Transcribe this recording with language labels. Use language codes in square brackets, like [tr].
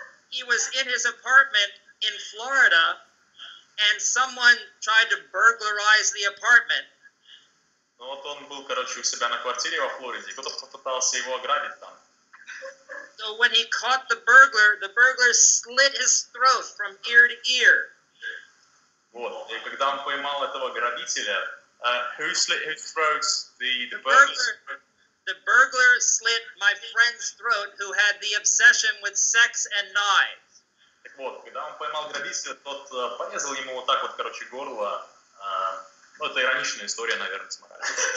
[en] He was in his apartment in Florida, and someone tried to burglarize the apartment. [ru] Ну вот он был, короче, у себя на квартире во Флориде, и кто-то попытался его ограбить там. [en] So when he caught the burglar slit his throat from ear to ear. [ru] Вот, и когда он поймал этого грабителя, [en] who slit his throat? The burglar slit my friend's throat who had the obsession with sex and knives. [ru] Так вот, когда он поймал грабителя, тот порезал ему вот так вот, короче, горло. Ну, это ироничная история, наверное, с моралью.